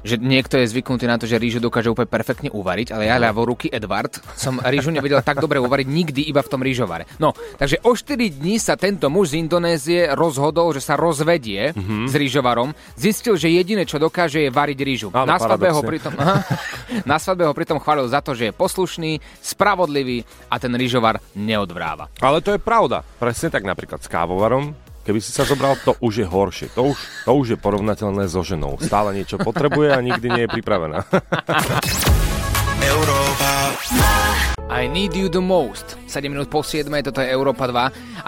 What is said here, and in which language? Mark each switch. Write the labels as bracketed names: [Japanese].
[Slovak] Že niekto je zvyknutý na to, že rýžu dokáže úplne perfektne uvariť, ale ja ľavoruky Edward som rýžu nevedel tak dobre uvariť nikdy iba v tom rýžovare. No, takže o 4 dní sa tento muž z Indonézie rozhodol, že sa rozvedie s rýžovarom. Zistil, že jediné, čo dokáže, je variť rýžu. Ale na svadbe ho pritom chválil za to, že je poslušný, spravodlivý a ten rýžovar neodvráva. Ale to je pravda. Presne tak napríklad s kávovarom. Keby si sa zobral, to už je horšie. To už je porovnateľné so ženou. Stále niečo potrebuje a nikdy nie je pripravená. [English] I need you the most. [Slovak] 7 minút po 7, toto je Európa 2.